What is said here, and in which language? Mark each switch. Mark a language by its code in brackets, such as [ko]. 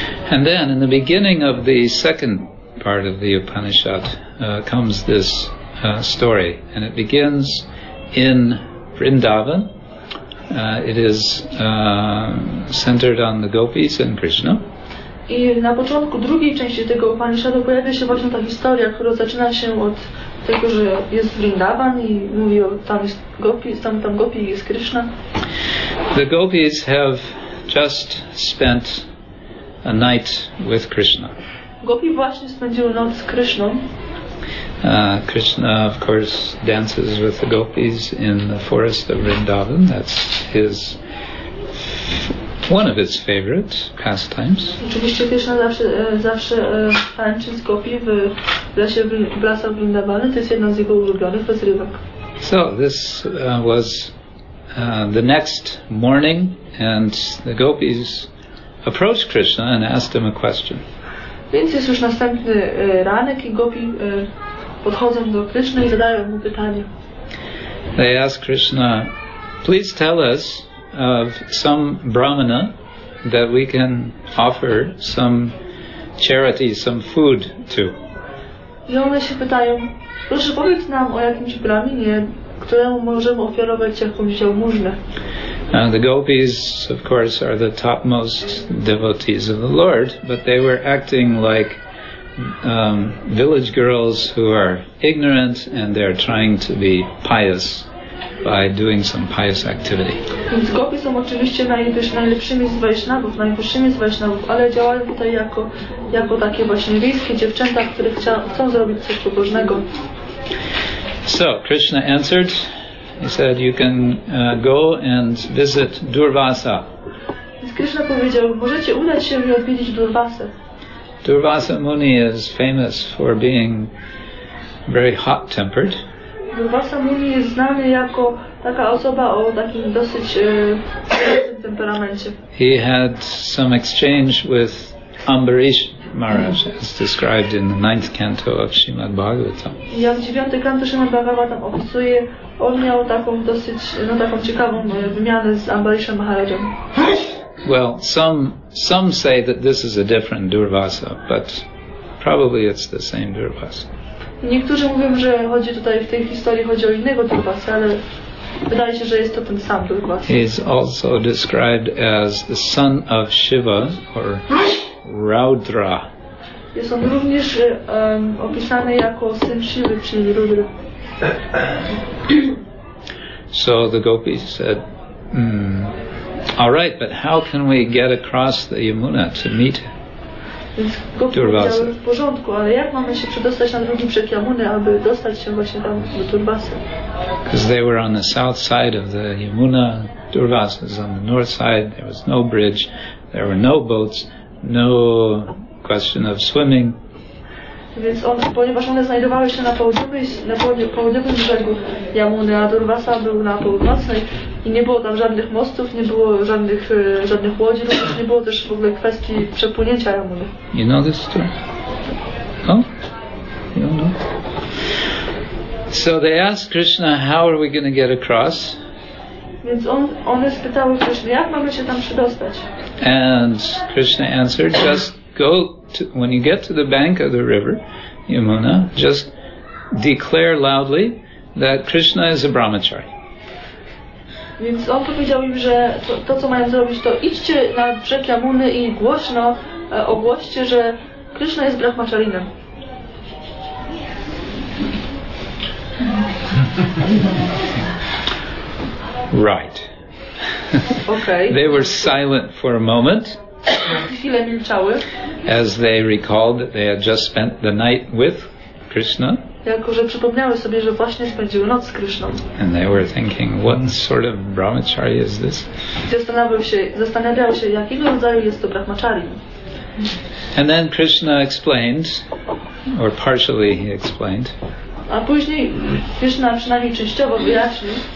[en] And then in the beginning of the second part of the Upanishad comes this story, and it begins in Vrindavan. It is centered on the gopis and Krishna. [pl] I na początku drugiej części tego Upanishadu pojawia się właśnie ta historia, która zaczyna się od tego, że jest Vrindavan i mówi o tam jest gopis, tam gopi i jest Krishna. [en] The gopis have just spent a night with Krishna. [pl] Gopi właśnie spędziły noc z Krishną. [en] Krishna, of course, dances with the gopis in the forest of Vrindavan. That's his one of his favorite pastimes. [pl] Oczywiście Krishna zawsze tańczy z gopi w lesie Brasa w Vrindavanie. To jest jedna z jego ulubionych rozrywek. [en] So this was the next morning, and the gopis approached Krishna and asked him a question. [pl] Więc jest już następny ranek i gopi podchodzą do Krishna i zadają mu pytanie. [en] They ask Krishna, please tell us of some brahmana that we can offer some charity, some food to. [pl] I one się pytają, proszę powiedz nam o jakimś brahminie, któremu możemy ofiarować jakąś jałmużnę. [en] The gopis, of course, are the topmost devotees of the Lord, but they were acting like village girls who are ignorant and they're trying to be pious by doing some pious activity. [pl] Więc gopi są oczywiście najlepszymi z Vaishnavów, najwyższymi z Vaishnavów, ale działają tutaj jako takie właśnie wiejskie dziewczęta, które chcą zrobić coś pobożnego. [en] So, Krishna answered. He said, you can go and visit Durvasa. [pl] Więc Krishna powiedział, możecie udać się i odwiedzić Durvasę. [en] Durvasa Muni is famous for being very hot-tempered. [pl] Durvasa Muni jest znany jako taka osoba o takim dosyć temperamencie. [en] He had some exchange with Ambarish Maharaj, as described in the 9th canto of Srimad Bhagavatam. [pl] Jak 9 kanto Srimad Bhagavatam opisuje, on miał taką dosyć, no taką ciekawą wymianę z Ambarishem Maharajem. [en] Well, some say that this is a different Durvasa, but probably it's the same Durvasa. [pl] Niektórzy mówią, że chodzi tutaj w tej historii chodzi o innego Durvasa, ale wydaje się, że jest to ten sam Durvasa. [en] He is also described as the son of Shiva or Raudra. [pl] Jest on również opisany jako syn Shivy, czyli Rudra. [en] So the gopis said, all right, but how can we get across the Yamuna to meet Durvasa? [pl] W porządku, ale jak mamy się przedostać na drugi brzeg Yamuny, aby dostać się właśnie tam do Durvasy? [en] Because they were on the south side of the Yamuna, Durvasa was on the north side. There was no bridge, there were no boats, no question of swimming. [pl] Więc on, ponieważ one znajdowały się na południowym brzegu Yamuny, a Durvasa był na północnej i nie było tam żadnych mostów, nie było żadnych łodzi, również nie było też w ogóle kwestii przepłynięcia Yamuny. [en] You know this story? Oh? You know? So they asked Krishna, how are we going to get across? [pl] Więc one spytały Krishna, jak mamy się tam przedostać? [en] And Krishna answered, just go. When you get to the bank of the river, Yamuna, just declare loudly that Krishna is a brahmachari. [pl] Więc on powiedział im, że to co mają zrobić, to idźcie na brzeg Yamuny i głośno ogłoście, że Krishna jest brahmacharinem. [en] Right. Okay. They were silent for a moment. [pl] Chwilę milczały. [en] As they recalled that they had just spent the night with Krishna. [pl] Jako że przypomniały sobie, że właśnie spędziły noc z Krishną. [en] And they were thinking, what sort of brahmachari is this? [pl] Zastanawiały się, jakiego rodzaju jest to brahmachari. [en] And then Krishna explained, or partially he explained. [pl] A później Krishna przynajmniej częściowo wyjaśnił.